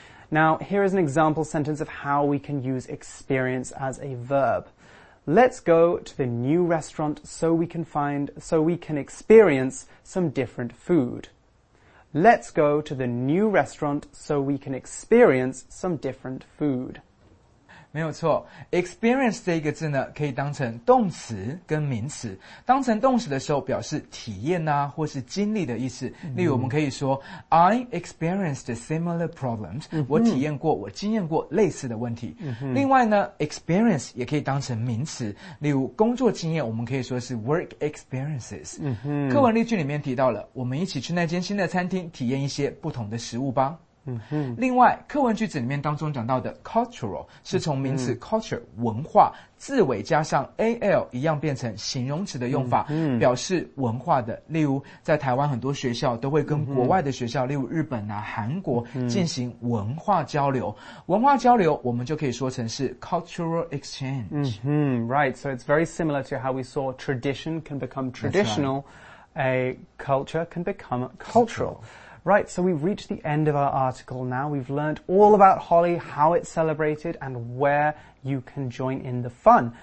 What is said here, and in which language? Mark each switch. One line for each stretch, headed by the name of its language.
English: Now, here is an example sentence of how we can use experience as a verb. Let's go to the new restaurant so we can experience some different food. Let's go to the new restaurant so we can experience some different food.
Chinese: 没有错， experience 这一个字呢可以当成动词跟名词，当成动词的时候表示体验啊或是经历的意思，例如我们可以说、
English: I experienced similar problems、
Chinese: 我体验过我经验过类似的问题、另外呢 experience 也可以当成名词，例如工作经验我们可以说是
English: work experiences、
Chinese: 课文例句里面提到了我们一起去那间新的餐厅体验一些不同的食物吧。另外课文句子里面当中讲到的 cultural 是从名词 culture 文化字尾加上 al 一样变成形容词的用法，表示文化的，例如在台湾很多学校都会跟国外的学校例如日本啊韩国进行文化交流，文化交流我们就可以说成是
English: cultural exchange、 Right, so it's very similar to how we saw tradition can become traditional、A culture can become cultural. Right, so we've reached the end of our article now. We've learned all about Holi, how it's celebrated, and where you can join in the fun.